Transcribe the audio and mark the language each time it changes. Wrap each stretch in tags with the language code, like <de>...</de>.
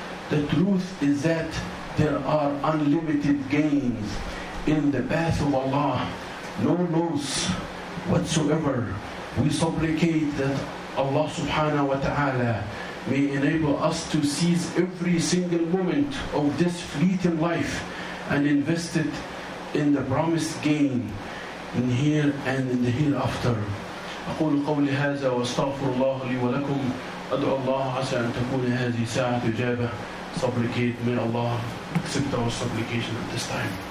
<en>The truth is that there are unlimited gains in the path of Allah, no loss whatsoever. We supplicate that Allah subhanahu wa ta'ala may enable us to seize every single moment of this fleeting life and invest it in the promised gain in here and in the hereafter.</en> <ar>أقول قولي هذا واستغفر الله لي ولكم أدعو الله عسى أن تكون هذه ساعة إجابة.</ar> <en>Supplicate, may Allah accept our supplication at this time.</en>